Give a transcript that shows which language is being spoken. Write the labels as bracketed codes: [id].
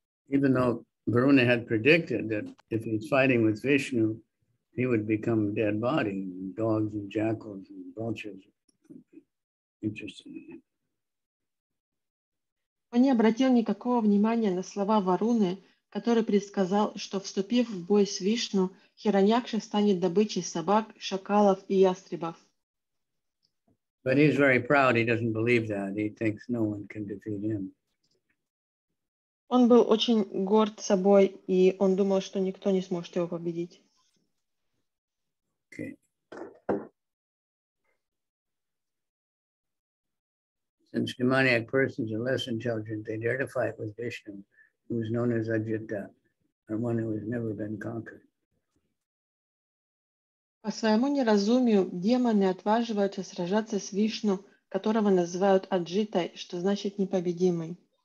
[en] Even though Varuna had predicted that if he's fighting with Vishnu, he would become a dead body, and dogs and jackals and vultures would be interested in him. [ru] Он не обратил никакого внимания на слова Варуны, который предсказал, что вступив в бой с Вишну, Хираньякша станет добычей собак, шакалов и ястребов. [en] But he's very proud. He doesn't believe that. He thinks no one can defeat him. [ru] Он был очень горд собой, и он думал, что никто не сможет его победить. [en] Okay. Since demoniac persons are less intelligent, they dare to fight with Vishnu, who is known as Ajita, or one who has never been conquered. [ru] По своему неразумию, демоны отваживаются сражаться с Вишну, которого называют Аджитой, что значит непобедимый.